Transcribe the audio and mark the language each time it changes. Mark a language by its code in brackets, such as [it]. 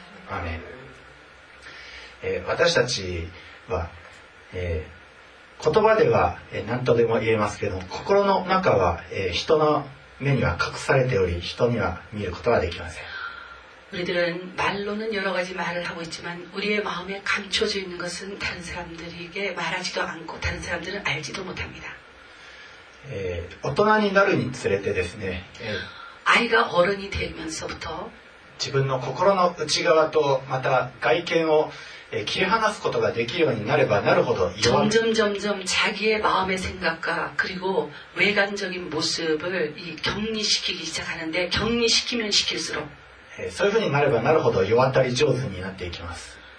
[ja] アーメン。私たちは、言葉では何とでも言えますけど、心の中は、人の目には隠されており、人には見ることはできません。 [ko] 우리들은말로는여러가지말을하고있지만우리의마음에감춰져있는것은다른사람들에게말하지도않고다른사람들은알지도못합니다。 [ja] 大人になるにつれてですね、 [ko] 아이가어른이되면서부터 [ja] 自分の心の内側とまた外見を切り離すことができるようになればなるほど、 [ko] 점점자기의마음의생각과그리고외관적인모습을이격리시키기시작하는데격리시키면시킬수록 [ja] そういうふうになればなるほど弱ったり上手になっていきます。